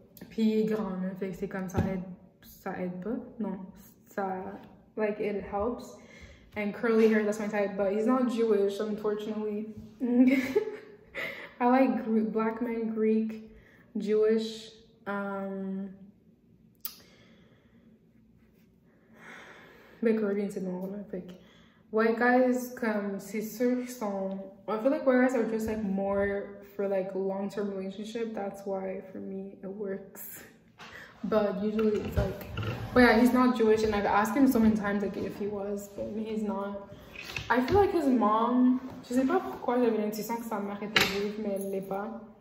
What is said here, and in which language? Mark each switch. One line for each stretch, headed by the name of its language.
French: Puis il est grand, hein, fait que c'est comme ça aide pas. Non, ça,
English: like, it helps. And curly hair, that's my type, but he's not Jewish, unfortunately. I like black men, Greek, Jewish.
French: Mais Caribbean, c'est normal, hein, fait que.
English: White guys,
French: comme, c'est sûr qu'ils sont...
English: I feel like white guys are just, like, more for, like, long-term relationship. That's why, for me, it works. But usually, it's, like... But, yeah, he's not Jewish, and I've asked him so many times, like, if he was, but he's not. I feel like his mom...
French: Je sais pas pourquoi j'avais l'intuition que sa mère était juive, mais elle l'est pas.